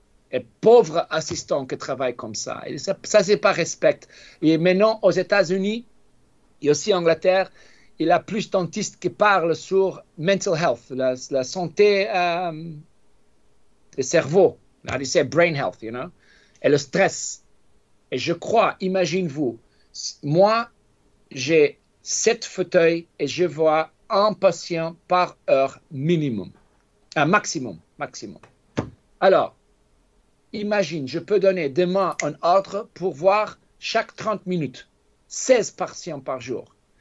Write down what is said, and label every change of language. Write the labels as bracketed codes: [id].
[fr] Et pauvre assistant qui travaille comme ça, ça c'est pas respect. Et maintenant, aux États-Unis, et aussi en Angleterre, il y a plus de dentistes qui parlent sur mental health, la santé du cerveau. [en] Now they say brain health, you know, [fr] et le stress. Et je crois, imagine-vous, moi, j'ai 7 fauteuils et je vois un patient par heure minimum, un maximum. Alors, imagine, je peux donner demain un ordre pour voir chaque 30 minutes, 16 patients par jour.